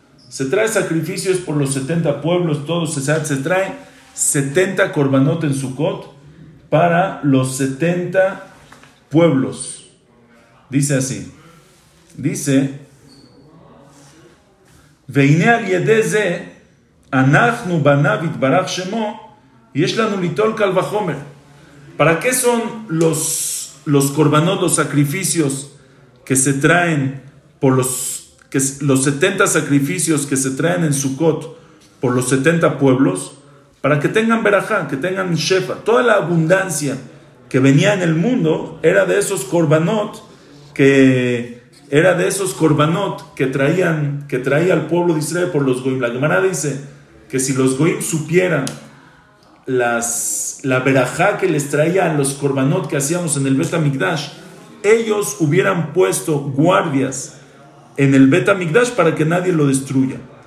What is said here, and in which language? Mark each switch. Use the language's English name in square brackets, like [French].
[Spanish] Se trae sacrificios por los 70 pueblos, se trae 70 korbanot en Sukkot para los 70 pueblos. Dice así. [Hebrew] והנה על ידי זה אנחנו בניו יתברך שמו יש לנו ליטול קל וחומר. [Spanish] ¿Para qué son los korbanot, los sacrificios que se traen por los 70 sacrificios que se traen en Sukkot por los 70 pueblos? Para que tengan berajá, que tengan shefa. Toda la abundancia que venía en el mundo era de esos korbanot que traía al pueblo de Israel por los goyim. La Gemara dice que si los goyim supieran la berajá que les traía a los korbanot que hacíamos en el Bet HaMikdash, ellos hubieran puesto guardias en el Bet HaMikdash para que nadie lo destruya.